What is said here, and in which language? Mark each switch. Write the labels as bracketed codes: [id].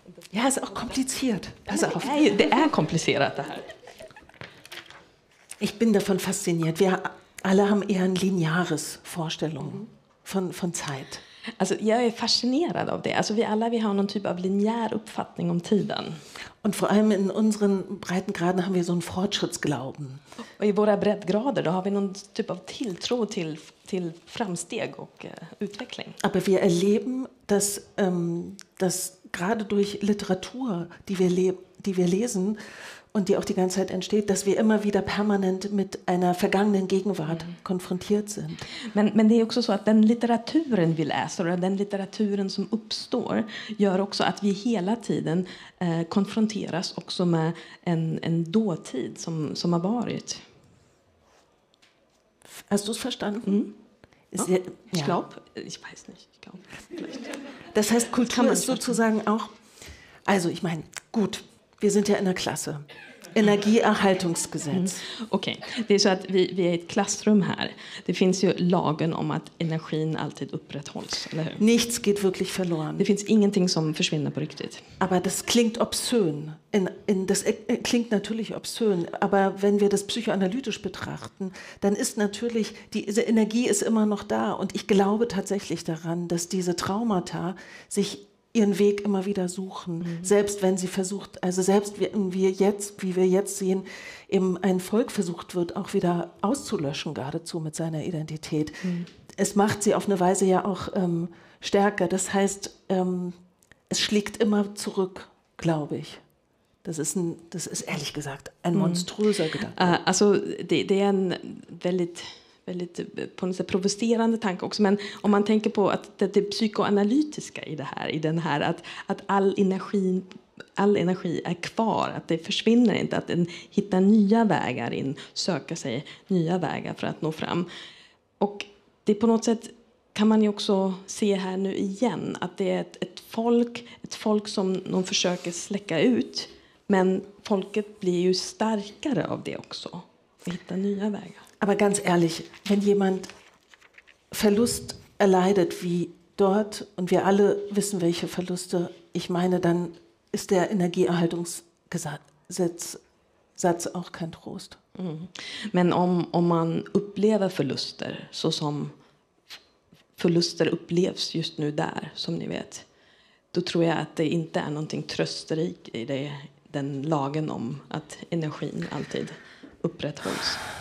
[sv] Ja, det är också komplicerat. [de] Pass auf. [sv] Det är komplicerat det här. [de] Ich bin davon fasziniert. Wir alle haben eher ein lineares Vorstellung von Zeit. [sv] Also, jag är fascinerad av det. Alltså, vi alla har någon typ av linjär uppfattning om tiden. [de] Und vor allem in unseren Breitengraden haben wir so einen Fortschrittsglauben. [sv] Och i våra breddgrader då har vi någon typ av tilltro till framsteg och utveckling. [de] Aber wir erleben, dass gerade durch Literatur, die wir lesen und die auch die ganze Zeit entsteht, dass wir immer wieder permanent mit einer vergangenen Gegenwart konfrontiert sind. [sv] Men det är också så att den litteraturen vi läser och den litteraturen som uppstår gör också att vi hela tiden konfronteras också med en dåtid som har varit. [de] Hast du es verstanden? Mm. Ja. Ich glaube, ich weiß nicht, ich glaube. Das heißt, Kultur ist sozusagen auch, also ich meine, gut, wir sind ja in der Klasse. Energieerhaltungsgesetz. Okej, okay. [sv] Det är så att vi är i ett klassrum här. Det finns ju lagen om att energin alltid upprätthålls, eller hur? [de] Nichts geht wirklich verloren. [sv] Det finns ingenting som försvinner på riktigt. [de] Aber das klingt obszön. Das klingt natürlich obszön, aber wenn wir das psychoanalytisch betrachten, dann ist natürlich, diese Energie ist immer noch da. Und ich glaube tatsächlich daran, dass diese Traumata sich ihren Weg immer wieder suchen, selbst wenn sie versucht, also selbst wenn wir jetzt, wie wir jetzt sehen, eben ein Volk versucht wird, auch wieder auszulöschen, geradezu mit seiner Identität. es macht sie auf eine Weise ja auch stärker. Das heißt, es schlägt immer zurück, glaube ich. Das ist ehrlich gesagt ein monströser Gedanke. [sv] Also det är en väldigt, väldigt på något sätt provocerande tanke också. Men om man tänker på att det psykoanalytiska i det här, att all energi är kvar, att det försvinner inte, att den hittar nya vägar in, söka sig nya vägar för att nå fram. Och det på något sätt kan man ju också se här nu igen, att det är ett folk som de försöker släcka ut. Men folket blir ju starkare av det också. Och hittar nya vägar. [de] Aber ganz ehrlich, wenn jemand Verlust erleidet wie dort, und wir alle wissen, welche Verluste ich meine, dann ist der Energieerhaltungssatz auch kein Trost. Mm. [sv] Men om man upplever förluster, så som förluster upplevs just nu där, som ni vet, då tror jag att det inte är någonting trösterik i det, den lagen om att energin alltid upprätthålls.